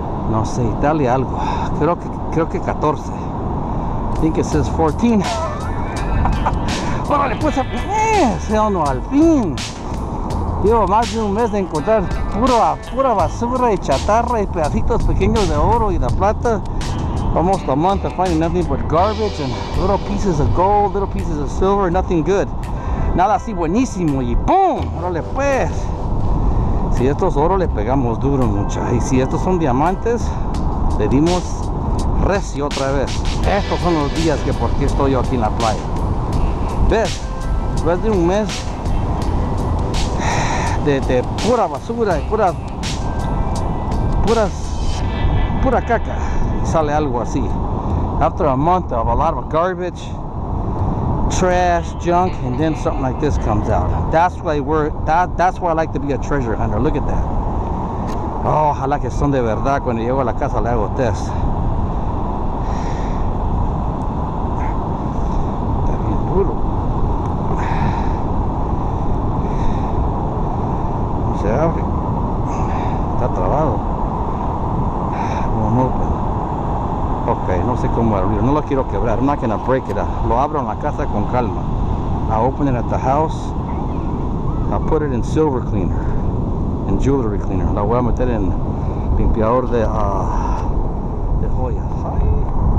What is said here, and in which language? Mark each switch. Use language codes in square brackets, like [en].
[es] No sé, Italia algo. Creo que 14. [en] Think it says 14. [es] ¡Órale, pues! [en] ¡Hell no, [es] al fin! Llevo más de un mes de encontrar pura basura y chatarra y pedacitos pequeños de oro y de plata. [en] Almost a month of finding nothing but garbage and little pieces of gold, little pieces of silver, nothing good. [es] Nada así buenísimo y ¡boom! ¡Órale, pues! Si esto es oro, le pegamos duro, muchachos. Y si estos son diamantes, le dimos recio otra vez. Estos son los días que por qué estoy yo aquí en la playa. ¿Ves? Después de un mes de pura basura y pura caca, sale algo así. [en] After a month of a lot of garbage, trash, junk, and then something like this comes out. That's why I like to be a treasure hunter. Look at that. Oh, [es] ojalá que son de verdad. Cuando llego a la casa le hago test. Está bien duro. Se abre, está trabado. Ok, no sé cómo abrirlo. No lo quiero quebrar. [en] I'm not gonna break it. [es] Lo abro en la casa con calma. [en] I open it at the house. I put it in silver cleaner and jewelry cleaner. [es] La voy a meter en limpiador de joyas.